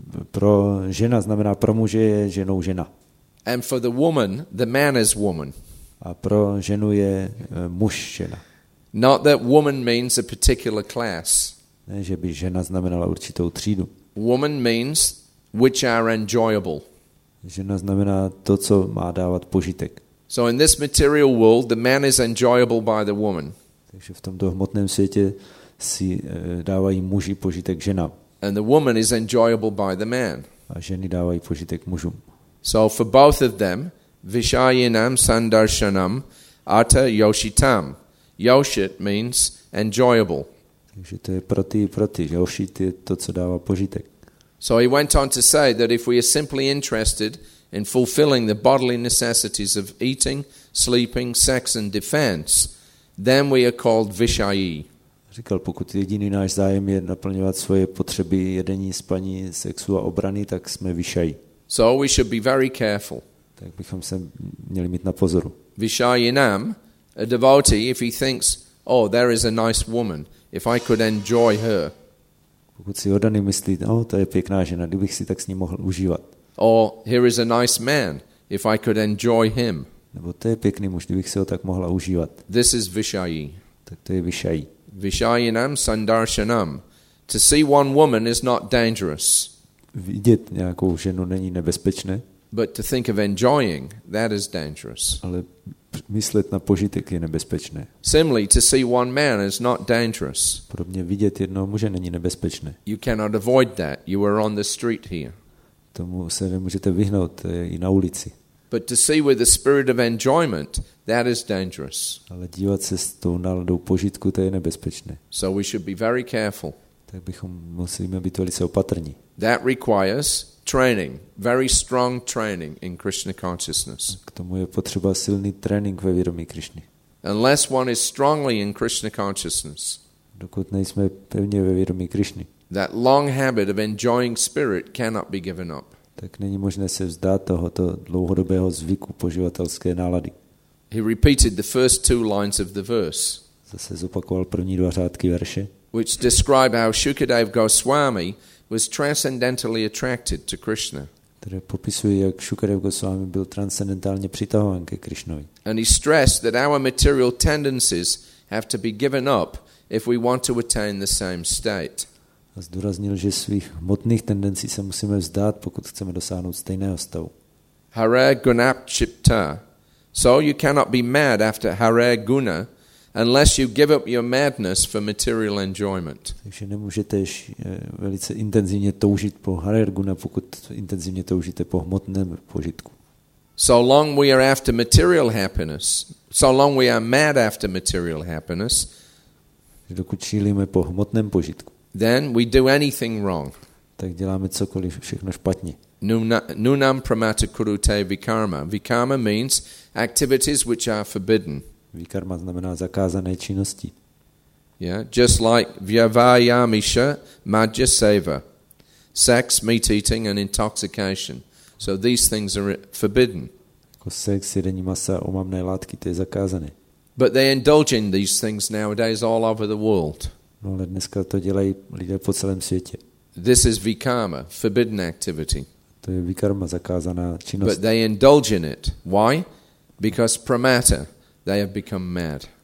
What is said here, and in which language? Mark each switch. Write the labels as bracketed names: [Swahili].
[Czech] Pro žena znamená pro muže je ženou žena. [English] And for the woman, the man is woman. [Czech] A pro ženu je muž žena. [English] Not that woman means a particular class. [Czech] Ne, že by žena znamenala určitou třídu. [English] Woman means which are enjoyable. [Czech] Žena znamená to, co má dávat požitek. [English] So in this material world, the man is enjoyable by the woman. [Czech] Takže v tomto hmotném světě si dávají muži požitek ženám. [English] And the woman is enjoyable by the man. [Czech] A ženy dávají požitek mužům. [English] So for both of them, [Sanskrit] Vishayinam Sandarshanam Ata Yoshitam. [English] Yoshit means enjoyable. [Czech] Takže to je pro ty i pro ty. Yoshit je to, co dává požitek. [English] So he went on to say that if we are simply interested in fulfilling the bodily necessities of eating, sleeping, sex and defense, then we are called Vishayi. [Czech] Říkal, pokud jediný náš zájem je naplňovat svoje potřeby jedení, spaní, sexu a obrany, tak jsme Vishayi. [English] So we should be very careful. [Czech] Tak bychom se měli mít na pozoru. [English] Vishayinam, a devotee, if he thinks, oh, there is a nice woman, if I could enjoy her. [Czech] Pokud si oddaný myslí, oh, to je pěkná žena, kdybych si tak s ní mohl užívat. [English] Or, here is a nice man, if I could enjoy him. [Czech] Nebo to je pěkný muž, kdybych si ho tak mohla užívat. [English] This is Vishayi. [Czech] Tak to je Vishayi. [Sanskrit] Vishayinam Sandarshanam. [English] To see one woman is not dangerous. [Czech] Vidět nějakou ženu není nebezpečné. [English] But to think of enjoying, that is dangerous. [Czech] Ale myslet na požitek je nebezpečné. [English] Similarly, to see one man is not dangerous. [Czech] Podobně vidět jednoho muže není nebezpečné. [English] You cannot avoid that. You are on the street here. [Czech] Tomu se nemůžete vyhnout, i na ulici. [English] But to see with the spirit of enjoyment, that is dangerous. [Czech] Ale dívat se s tou náladou požitku, to je nebezpečné. [English] So we should be very careful. [Czech] Tak bychom musíme být velice opatrní. [English] That requires training, very strong training in Krishna consciousness. [Czech] K tomu je potřeba silný trénink ve vědomí Krišny. [English] Unless one is strongly in Krishna consciousness. [Czech] Dokud nejsme pevně ve vědomí Krišny. [English] That long habit of enjoying spirit cannot be given up. [Czech] Tak není možné se vzdát tohoto dlouhodobého zvyku poživatelské nálady. [English] He repeated the first two lines of the verse. [Czech] Zase zopakoval první dva řádky verše. [English] Which describe how Shukadev Goswami was transcendentally attracted to Krishna. [Czech] Které popisuje, jak Shukadev Goswami byl transcendentálně přitahován ke Krišnovi. [English] And he stressed that our material tendencies have to be given up if we want to attain the same state. [Czech] A zdůraznil, že svých hmotných tendencí se musíme vzdát, pokud chceme dosáhnout stejného stavu. Hare Gunapchipta. [English] So you cannot be mad after Hare Guna unless you give up your madness for material enjoyment. [Czech] Takže nemůžete velice intenzivně toužit po Hare Guna, pokud intenzivně toužíte po hmotném požitku. [English] So long we are after material happiness, so long we are mad after material happiness, [Czech] dokud čílíme po hmotném požitku, [English] then we do anything wrong. [Czech] Tak děláme cokoliv všechno špatně. [Sanskrit] Nunam pramata kurute vikarma. [English] Vikarma means activities which are forbidden. [Czech] Vikarma znamená zakázané činnosti. [English] Yeah, just like [Sanskrit] vyavayamisha madhya seva. [English] Sex, meat eating and intoxication. So these things are forbidden. [Czech] Jako sex, jedení masa, omamné látky, to je zakázané. [English] But they indulge in these things nowadays all over the world. [Czech] No, ale dneska to dělají lidé po celém světě. [English] This is vikarma, forbidden activity. [Czech] To je vikarma, zakázaná činnost. [English] But they indulge in it. Why? Because pramata, they have become mad.